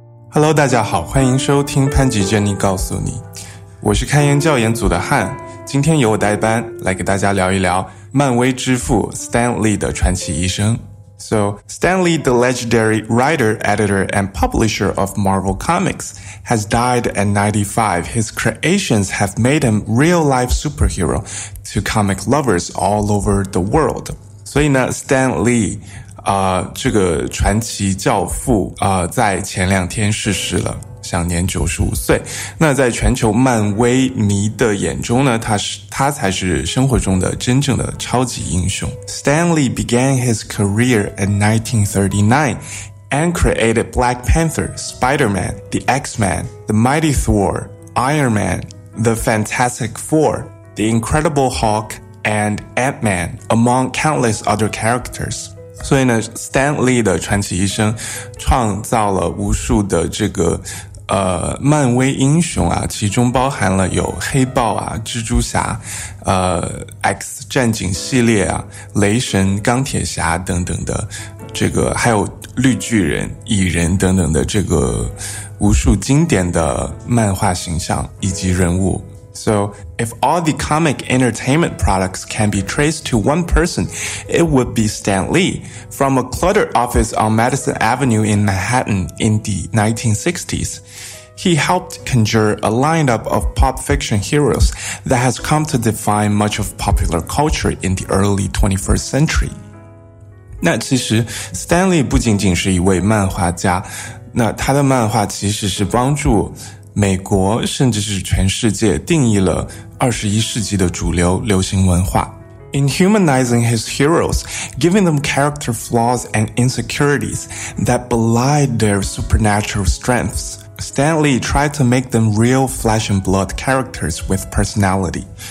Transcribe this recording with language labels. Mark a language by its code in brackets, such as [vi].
[zh] Hello， 大家好，欢迎收听潘吉 Jenny 告诉你，我是开研教研组的汉，今天由我代班来给大家聊一聊漫威之父 Stan Lee 的传奇一生。 [en] So, Stan Lee, the legendary writer, editor, and publisher of Marvel Comics, has died at 95. His creations have made him real-life superhero to comic lovers all over the world. [zh] 所以呢 ,Stan Lee, 这个传奇教父在前两天逝世了。享年95岁。那在全球漫威迷的眼中呢，他才是生活中的真正的超级英雄。 [en] Stan Lee began his career in 1939 and created Black Panther, Spider-Man, The X-Men, The Mighty Thor, Iron Man, The Fantastic Four, The Incredible Hulk, and Ant-Man, among countless other characters. [zh] 所以呢 ,Stan Lee 的传奇一生创造了无数的这个漫威英雄啊，其中包含了有黑豹啊，蜘蛛侠，X 战警系列啊，雷神，钢铁侠等等的这个，还有绿巨人，蚁人等等的这个无数经典的漫画形象以及人物。 [en] So, if all the comic entertainment products can be traced to one person, it would be Stan Lee. From a cluttered office on Madison Avenue in Manhattan in the 1960s, he helped conjure a lineup of pop fiction heroes that has come to define much of popular culture in the early 21st century. [zh] 那其实 Stan Lee 不仅仅是一位漫画家，那他的漫画其实是帮助美国甚至是全世界定义了21世纪的主流流行文化。 [en] In humanizing his heroes, giving them character flaws and insecurities that belied their supernatural strengths, Stan Lee tried to make them real flesh and blood characters with personality.